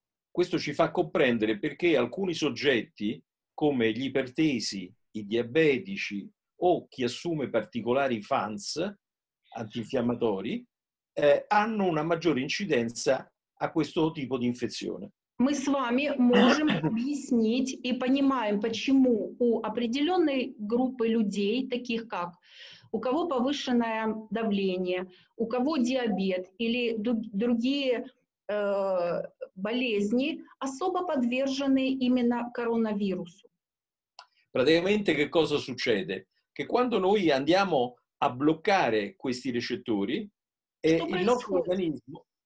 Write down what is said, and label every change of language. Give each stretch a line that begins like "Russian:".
Italian: Questo ci fa comprendere perché alcuni soggetti, come gli ipertesi, i diabetici o chi assume particolari FANS, antinfiammatori, hanno una maggiore incidenza a questo tipo di infezione.
Russian: Мы с вами можем объяснить и понимаем, почему у определенной группы людей, таких как у кого повышенное давление, у кого диабет или другие болезни, особо подвержены именно коронавирусу.
Italian: Praticamente che cosa succede? Che quando noi andiamo a bloccare questi recettori, il nostro organismo...